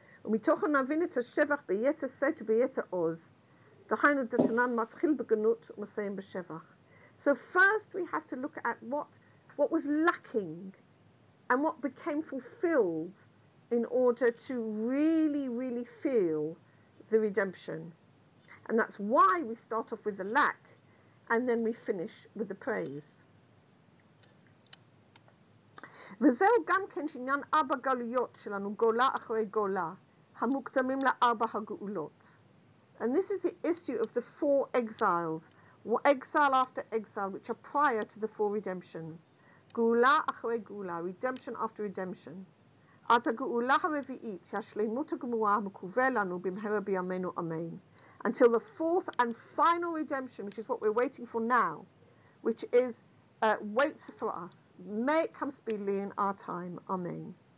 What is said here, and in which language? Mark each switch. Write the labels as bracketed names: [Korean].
[Hebrew] ומתוך הנבין את השבח ביתר סט וביתר עוז, דהיינו דתנן מתחיל בגנות ומסיים בשבח. [English] So first we have to look at what was lacking and what became fulfilled in order to really, really feel the redemption. And that's why we start off with the lack and then we finish with the praise. [Hebrew] וזהו גם כן שעניין ארבע גלויות שלנו, גולה אחרי גולה. המוקדמים לארבע הגאולות. [English] And this is the issue of the four exiles, exile after exile, which are prior to the four redemptions. [Hebrew] גאולה אחרי גאולה, [English] redemption after redemption. [Hebrew] עד הגאולה הרביעית, השלמות הגמורה המקווה לנו במהרה בימינו אמן. [English] Until the fourth and final redemption, which is what we're waiting for now, which is waits for us. May it come speedily in our time. Amen.